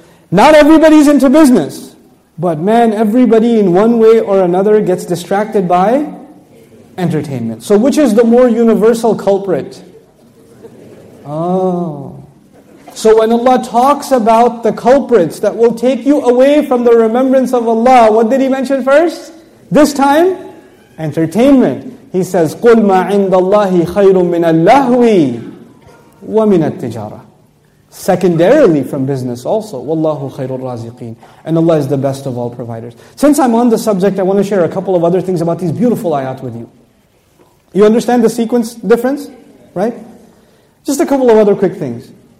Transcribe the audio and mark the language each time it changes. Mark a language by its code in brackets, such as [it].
[en] Not everybody's into business. But man, everybody in one way or another gets distracted by entertainment. So which is the more universal culprit? Oh. So when Allah talks about the culprits that will take you away from the remembrance of Allah, what did He mention first? This time? Entertainment. He says, [ar] قُلْ مَا عِنْدَ اللَّهِ خَيْرٌ مِّنَ اللَّهْوِ وَمِنَ التِّجَارَةِ. [en] Secondarily from business also. [ar] وَاللَّهُ خَيْرُ الرَّازِقِينَ. [en] And Allah is the best of all providers. Since I'm on the subject, I want to share a couple of other things about these beautiful ayat with you. You understand the sequence difference? Right? Just a couple of other quick things.